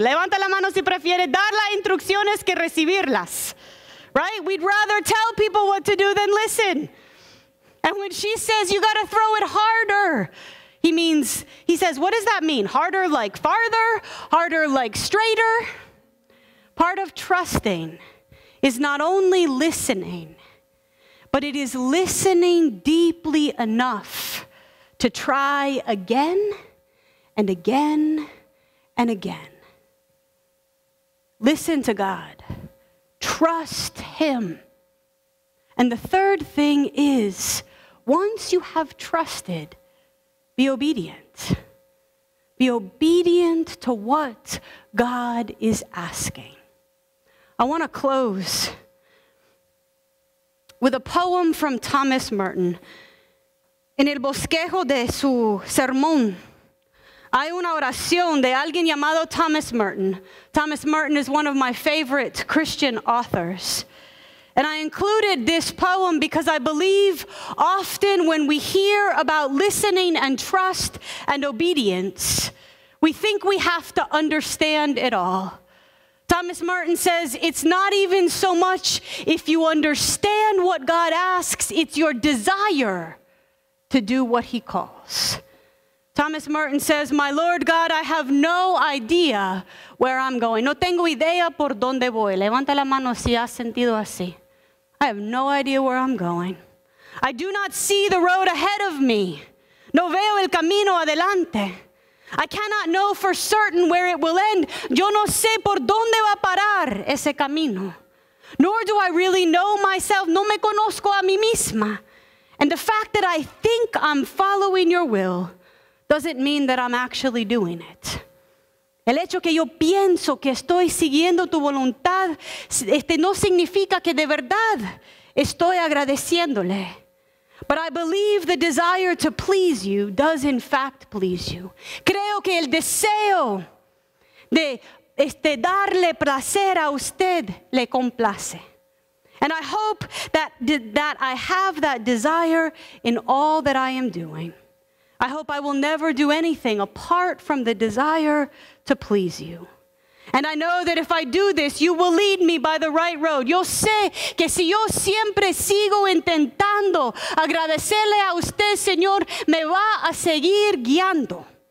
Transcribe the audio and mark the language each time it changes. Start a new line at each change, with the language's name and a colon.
Spanish: Levanta la mano si prefiere dar las instrucciones que recibirlas.
English: Right? We'd rather tell people what to do than listen. And when she says, you got to throw it harder, he says, what does that mean? Harder like farther? Harder like straighter? Part of trusting is not only listening, but it is listening deeply enough to try again and again and again. Listen to God. Trust Him. And the third thing is, once you have trusted, be obedient. Be obedient to what God is asking. I want to close with a poem from Thomas Merton.
Spanish: En el bosquejo de su sermón, hay una oración de alguien llamado Thomas Merton.
English: Thomas Merton is one of my favorite Christian authors. And I included this poem because I believe often when we hear about listening and trust and obedience, we think we have to understand it all. Thomas Merton says, it's not even so much if you understand what God asks, it's your desire to do what he calls. Thomas Merton says, my Lord God, I have no idea where I'm going.
Spanish: No tengo idea por donde voy. Levanta la mano si has sentido así.
English: I have no idea where I'm going. I do not see the road ahead of me.
Spanish: No veo el camino adelante.
English: I cannot know for certain where it will end.
Spanish: Yo no sé por dónde va a parar ese camino.
English: Nor do I really know myself.
Spanish: No me conozco a mí misma.
English: And the fact that I think I'm following your will doesn't mean that I'm actually doing it.
Spanish: El hecho que yo pienso que estoy siguiendo tu voluntad no significa que de verdad estoy agradeciéndole.
English: But I believe the desire to please you does in fact please you.
Spanish: Creo que el deseo de darle placer a usted le complace.
English: And I hope that I have that desire in all that I am doing. I hope I will never do anything apart from the desire to please you. And I know that if I do this, you will lead me by the right road.
Spanish: Yo sé que si yo siempre sigo intentando agradecerle a usted, Señor, me va a seguir guiando.